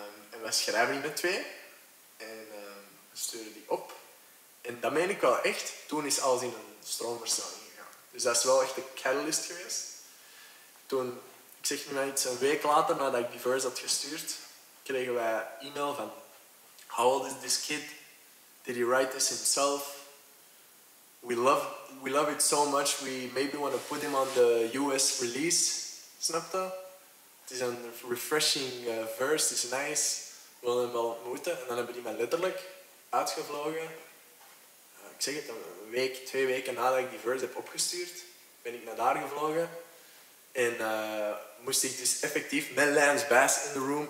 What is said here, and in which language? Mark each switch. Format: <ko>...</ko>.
<nl>En we schrijven die met twee en we sturen die op. En dat meen ik wel echt, toen is alles in een stroomversnelling gegaan. Dus dat is wel echt de catalyst geweest. Toen, ik zeg nu maar iets, een week later nadat ik die verse had gestuurd, kregen wij e-mail van:</nl> <en>how old is this kid? Did he write this himself? We love it so much, we maybe want to put him on the US release.</en> <nl>Snap je? Het is een refreshing verse, het is nice. We willen hem wel ontmoeten. En dan hebben die mij letterlijk uitgevlogen. Ik zeg het, een week, twee weken nadat ik die verse heb opgestuurd, ben ik naar daar gevlogen. En moest ik dus effectief met Lance Bass</nl> <en>in the room.</en>